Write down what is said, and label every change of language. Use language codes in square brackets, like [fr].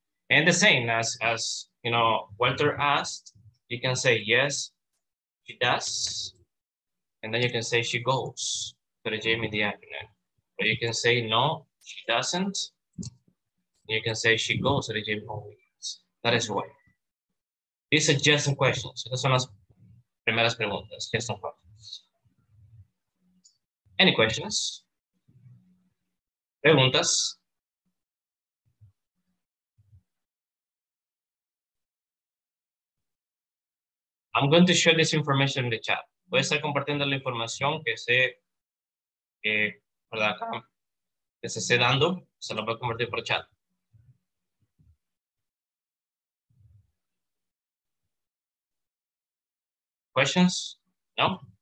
[en] And the same as you know, Walter asked, you can say, yes, she does. And then you can say, she goes to the gym in the afternoon. Or you can say, no, she doesn't. You can say, she goes to the gym on weekends. That is why. These are just some questions. [es] Estas son las primeras preguntas, [en] just some questions. Any questions? [es] Preguntas? [en] I'm going to share this information in the chat. [es] Voy a estar compartiendo la información que se esté dando. Se lo voy a compartir por chat. [en] Questions? No?